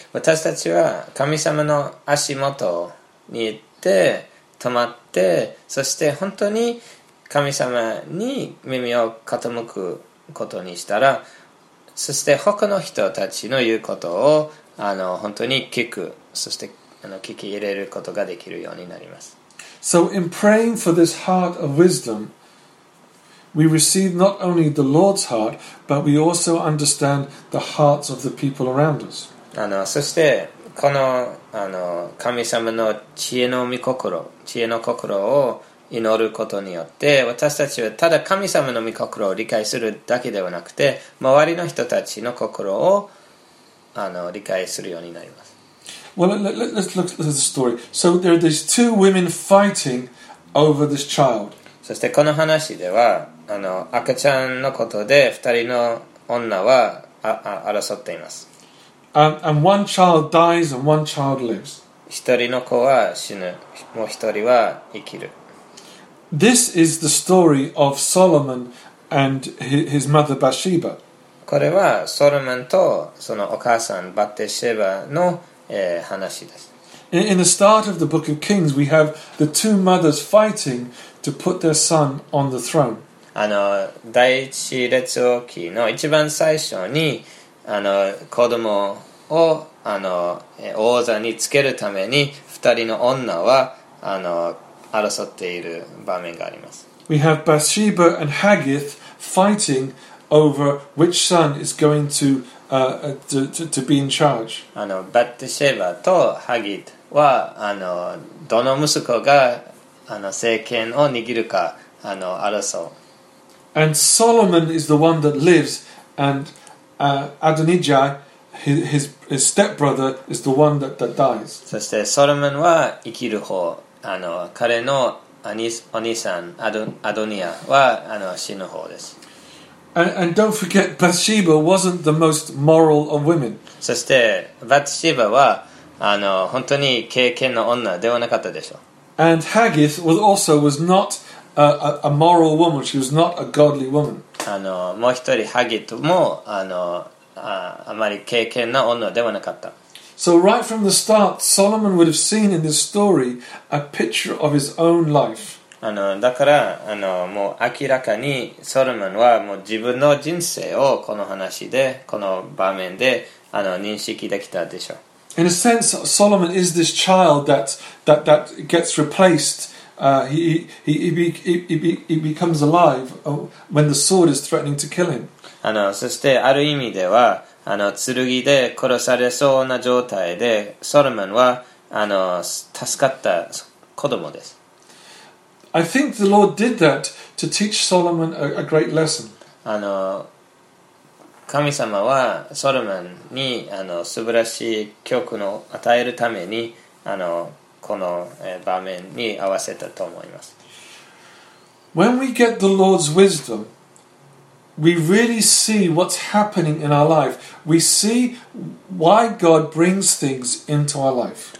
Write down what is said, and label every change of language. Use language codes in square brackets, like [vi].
[ja] 私たちは神様の足元に行って止まって、そして本当に神様に耳を傾くことにしたら、そして他の人たちの言うことをあの本当に聞く、そしてあの聞き入れることができるようになります。 [en] So in praying for this heart of wisdom, we receive not only the Lord's heart, but we also understand the hearts of the people around us. [ja] あのそしてこのあの神様の知恵の御心、知恵の心を祈ることによって、私たちはただ神様の御心を理解するだけではなくて、周りの人たちの心をあの理解するようになります。 [en] Well, let's look at the story. So there are these two women fighting over this child. [ja] そしてこの話では、あの赤ちゃんのことで二人の女は争っています。 [en] And one child dies and one child lives. [ja] 一人の子は死ぬ、もう一人は生きる。 [en] This is the story of Solomon and his mother Bathsheba. [ja] これはソロモンとそのお母さんバテシェバの話です。 [en] In the start of the Book of Kings, we have the two mothers fighting to put their son on the throne. [ja] あの第一列王記の一番最初にあの子供をあの王座につけるために二人の女はあの争っている場面があります。 [en] We have Bathsheba and Haggith fighting over which son is going to be in charge. [ja] あのバテシェバとハギッはあのどの息子があの政権を握るかあの争う。 [en] And Solomon is the one that lives andAdonijah, his stepbrother, is the one that dies. [ja] そしてソロモンは生きる方、あの彼のお兄さんアドニアはあの死ぬ方です。 [en] And don't forget, Bathsheba wasn't the most moral of women. [ja] そしてバテシェバはあの本当に敬虔の女ではなかったでしょう。 [en] And Haggith was not a moral woman. She was not a godly woman. [ja] あのもう一人ハギトも あまり敬虔な女ではなかった。 [en] So right from the start, Solomon would have seen in this story a picture of his own life. [ja] あのだからあのもう明らかにソロモンはもう自分の人生をこの話でこの場面であの認識できたでしょう。 [en] In a sense, Solomon is this child that gets replaced. He becomes alive when the sword is threatening to kill him. [ja] あのそしてある意味ではあの剣で殺されそうな状態でソロモンはあの助かった子供です。 [en] I think the Lord did that to teach Solomon a great lesson. [ja] あの神様はソロモンにあの素晴らしい教訓を与えるためにあのこの場面に合わせたと思います。 [en] When we get the Lord's wisdom, we really see what's happening in our life. We see why God brings things into our life.